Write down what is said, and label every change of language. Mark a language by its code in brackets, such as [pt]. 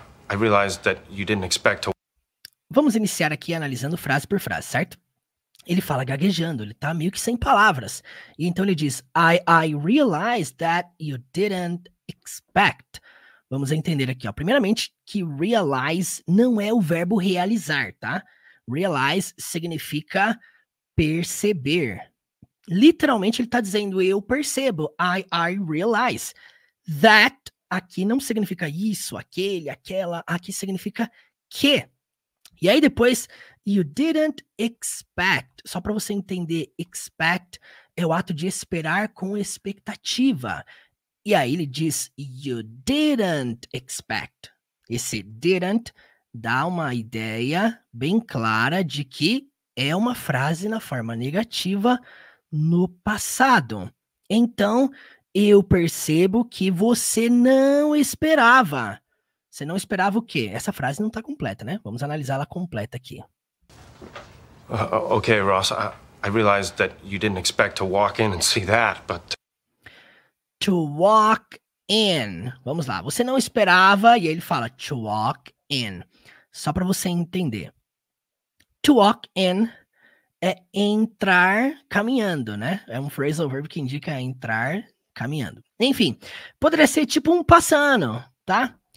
[en] I realized that you didn't expect to... [pt] Vamos iniciar aqui analisando frase por frase, certo? Ele fala gaguejando, ele tá meio que sem palavras. E então ele diz, [en] I realized that you didn't expect. [pt] Vamos entender aqui, ó. Primeiramente, que realize não é o verbo realizar, tá? Realize significa perceber. Literalmente, ele tá dizendo, eu percebo, [en] I realize. [pt] That aqui não significa isso, aquele, aquela, aqui significa que. E aí depois, [en] you didn't expect. [pt] Só para você entender, expect é o ato de esperar com expectativa. E aí ele diz, [en] you didn't expect. [pt] Esse didn't dá uma ideia bem clara de que é uma frase na forma negativa no passado. Então, eu percebo que você não esperava. Você não esperava o quê? Essa frase não tá completa, né? Vamos analisá-la completa aqui. [en] Okay, Ross, I realized that you didn't expect to walk in and see that, but... To walk in. [pt] Vamos lá. Você não esperava, e aí ele fala, [en] to walk in. [pt] Só para você entender. [en] To walk in [pt] é entrar caminhando, né? É um phrasal verb que indica entrar caminhando. Enfim, poderia ser tipo um passando, tá?